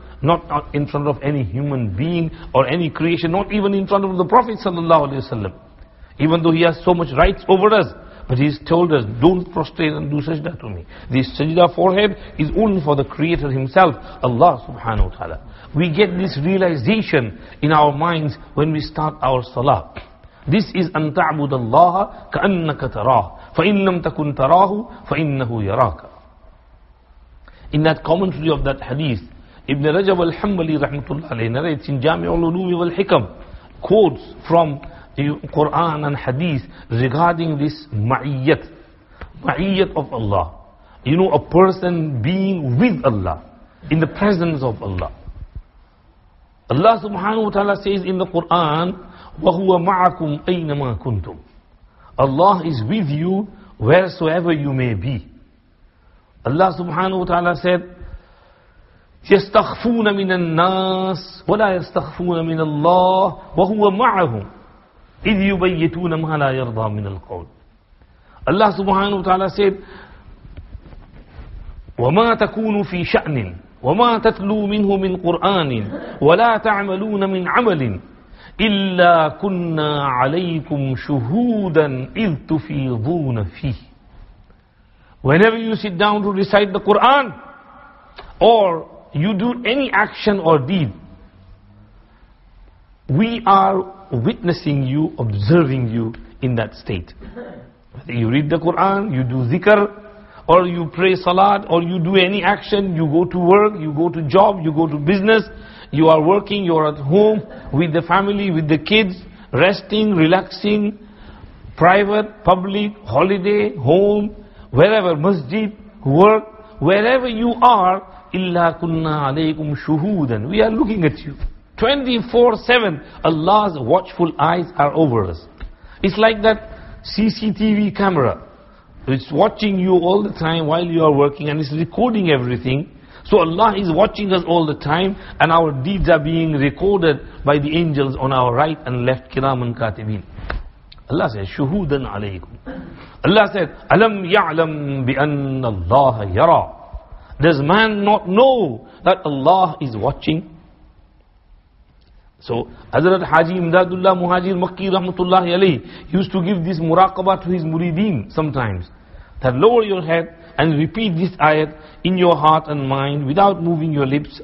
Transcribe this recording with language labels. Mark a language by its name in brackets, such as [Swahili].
[English] Not in front of any human being or any creation, not even in front of the Prophet sallallahu alaihi wasallam. Even though he has so much rights over us, but he's told us, don't prostrate and do sajda to me. This sajda forehead is only for the Creator himself, Allah subhanahu wa ta'ala. We get this realization in our minds when we start our salah. This is [Arabic] أن تعبد الله كأنك تراه فإن لم تكن تراه فإنه يراك. [English] In that commentary of that hadith, Ibn Rajab al-Hanbali rahmatullah alayhi narrates in Jami'ul Ulumi wal-Hikam, quotes from the Quran and Hadith regarding this ma'iyyat. Ma'iyyat of Allah. You know, a person being with Allah, in the presence of Allah. Allah subhanahu wa ta'ala says in the Quran, [Arabic] وَهُوَ مَعَكُمْ أَيْنَمَا كُنْتُمْ. [English] Allah is with you wheresoever you may be. Allah subhanahu wa ta'ala said, [Arabic] يَسْتَخْفُونَ مِنَ النَّاسِ وَلَا يَسْتَخْفُونَ مِنَ اللَّهِ وَهُوَ مَعَهُمْ إِذْ يُبَيِّتُونَ مَا لَا يَرْضَى مِنَ الْقَوْلِ. [English] Allah subhanahu wa ta'ala said, [Arabic] وَمَا تَكُونُ فِي شَأْنٍ وَمَا تَتْلُو مِنْهُ مِنْ قُرْآنٍ وَلَا تَعْمَلُونَ مِنْ عَمَلٍ إِلَّا كُنَّا عَلَيْكُمْ شُهُودًا إِذْ تُفِيضُونَ فِيهِ. [English] Whenever you sit down to recite the Quran, or you do any action or deed, we are witnessing you, observing you in that state. Whether you read the Quran, you do zikr, or you pray salat, or you do any action, you go to work, you go to job, you go to business, you are working, you are at home with the family, with the kids, resting, relaxing, private, public, holiday, home, wherever, masjid, work, wherever you are, [Arabic] إِلَّا كُنَّا عَلَيْكُمْ شُهُودًا. [English] We are looking at you. 24/7, Allah's watchful eyes are over us. It's like that CCTV camera. It's watching you all the time while you are working and it's recording everything. So Allah is watching us all the time and our deeds are being recorded by the angels on our right and left, [Arabic] كِرَامًا كَاتِبِينَ. [English] Allah says, [Arabic] شُهُودًا عَلَيْكُمْ. [English] Allah said, [Arabic] أَلَمْ يَعْلَمْ بِأَنَّ اللَّهَ يَرَى. [English] Does man not know that Allah is watching? So, Hazrat Haji Imdadullah Muhajir Makki Rahmatullah Alayhi used to give this muraqabah to his muridin sometimes. That lower your head, and repeat this ayat in your heart and mind without moving your lips.